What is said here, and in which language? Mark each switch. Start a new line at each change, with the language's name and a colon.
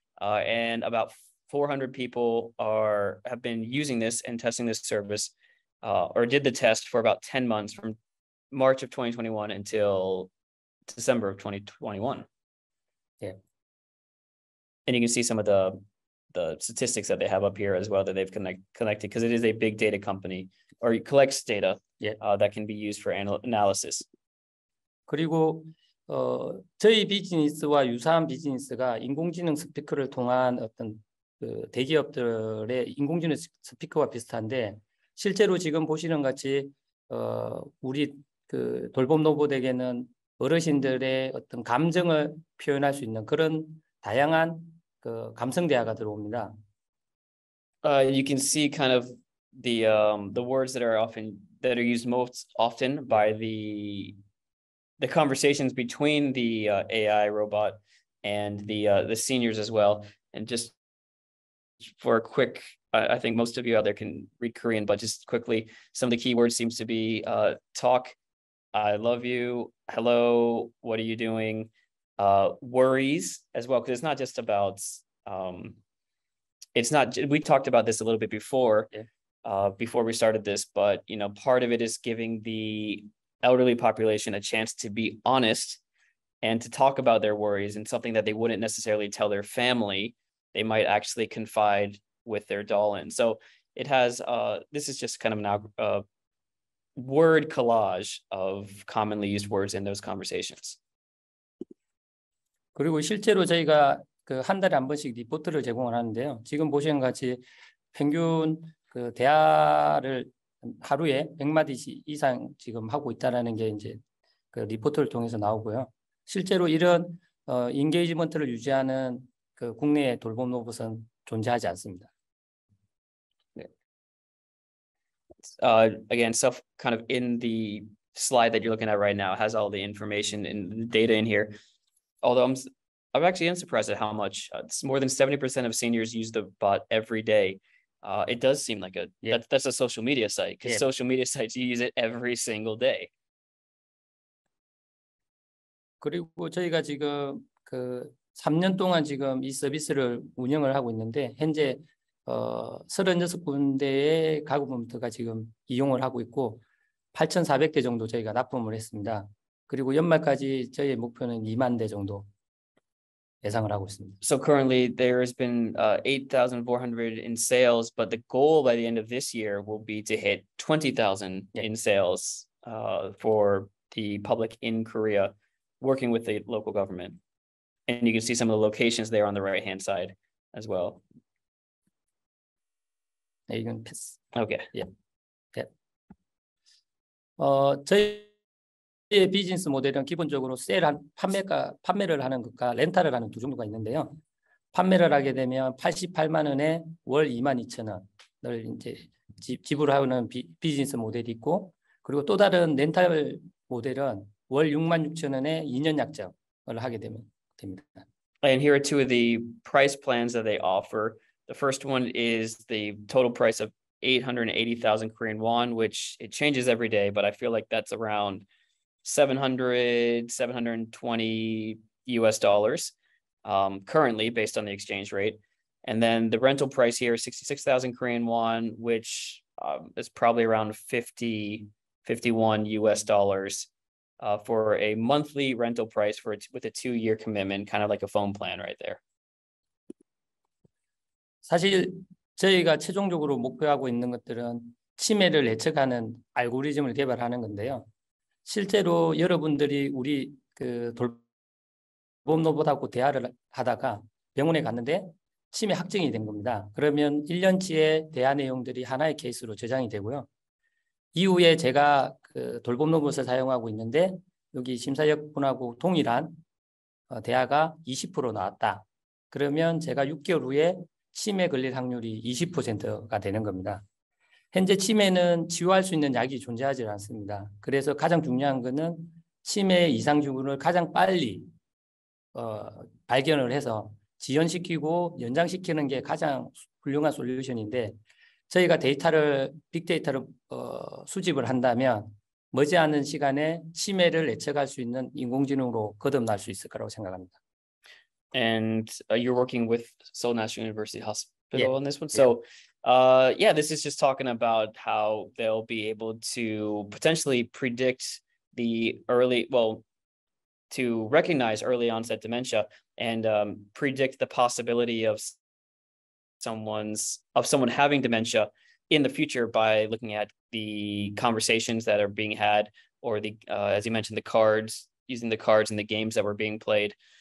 English: And about 400 people have been using this and testing this service or did the test for about 10 months from March of 2021 until December of 2021. Yeah. And you can see some of the statistics that they have up here as well that they've collected because it is a big data company or it collects data that can be used for analysis.
Korean: 그리고 저희 비즈니스와 유사한 비즈니스가 인공지능 스피커를 통한 어떤 그 대기업들의 인공지능 스피커와 비슷한데 실제로 지금 보시는 같이 우리 그 돌봄 로봇에게는 어르신들의 어떤 감정을 표현할 수 있는 그런 다양한 그 감성 대화가 들어옵니다.
English: You can see kind of the words that are used most often by the conversations between the AI robot and the seniors as well. And just for a quick, I think most of you out there can read Korean, but just quickly, some of the key words seems to be talk, I love you, hello, what are you doing? Worries as well, because it's not just about, we talked about this a little bit before, before we started this, but you know, part of it is giving the elderly population a chance to be honest and to talk about their worries and something that they wouldn't necessarily tell their family, they might actually confide with their doll in. So it has, this is just kind of a word collage of commonly used words in those conversations.
Korean: 그리고 실제로 저희가 그 한 달에 한 번씩 리포트를 제공을 하는데요. 지금 보시는 같이 평균 그 대화를 하루에 100마디씩 이상 지금 하고 있다라는 게 이제 그 리포트를 통해서 나오고요. 실제로 이런 인게이지먼트를 유지하는 그 국내의 돌봄 로봇은 존재하지 않습니다.
English: Again, stuff kind of in the slide that you're looking at right now has all the information and data in here. Although I'm actually unsurprised at how much it's more than 70% of seniors use the bot every day. It does seem like that's a social media site because social media sites you use it every single day.
Korean: 그리고 저희가 지금 그 3년 동안 지금 이 서비스를 운영을 하고 있는데 현재 36군데의 가구부터가 지금 이용을 하고 있고 8,400대 정도 저희가 납품을 했습니다. 그리고 연말까지 저희의 목표는 2만 대 정도 예상을 하고 있습니다.
English: So currently there has been 8,400 in sales, but the goal by the end of this year will be to hit 20,000 in sales for the public in Korea working with the local government. And you can see some of the locations there on the right hand side as well. Are you going to piss? Okay. Yeah. Yeah.
Korean: 저희 저희의 비즈니스 모델은 기본적으로 판매를 하는 것과 렌탈을 하는 두 종류가 있는데요. 판매를 하게 되면 88만 원에 월 2만 2천 원을 이제 지불하는 비즈니스 모델이 있고 그리고 또 다른 렌탈 모델은 월 6만 6천 원에 2년 약정을 하게 되면 됩니다.
English: And here are two of the price plans that they offer. The first one is the total price of 880,000 Korean won, which it changes every day, but I feel like that's around 720 US dollars currently based on the exchange rate. And then the rental price here is 66,000 Korean won, which is probably around 50, 51 US dollars for a monthly rental price for it with a 2-year commitment, kind of like a phone plan right there.
Korean: 사실 저희가 최종적으로 목표하고 있는 것들은 치매를 예측하는 알고리즘을 개발하는 건데요. 실제로 여러분들이 우리 그 돌봄 로봇하고 대화를 하다가 병원에 갔는데 치매 확정이 된 겁니다. 그러면 1년치의 대화 내용들이 하나의 케이스로 저장이 되고요. 이후에 제가 그 돌봄 로봇을 사용하고 있는데 여기 심사역분하고 동일한 대화가 20% 나왔다. 그러면 제가 6개월 후에 치매 걸릴 확률이 20%가 되는 겁니다. 현재 치매는 치유할 수 있는 약이 존재하지 않습니다. 그래서 가장 중요한 것은 치매 이상 징후를 가장 빨리 발견을 해서 지연시키고 연장시키는 게 가장 훌륭한 솔루션인데 저희가 데이터를 빅데이터를 수집을 한다면 머지않은 시간에 치매를 예측할 수 있는 인공지능으로 거듭날 수 있을 거라고 생각합니다.
English: And you're working with Seoul National University Hospital on this one. So this is just talking about how they'll be able to potentially predict the early, well, to recognize early onset dementia and predict the possibility of someone having dementia in the future by looking at the conversations that are being had, or the as you mentioned, the cards, using the cards and the games that were being played.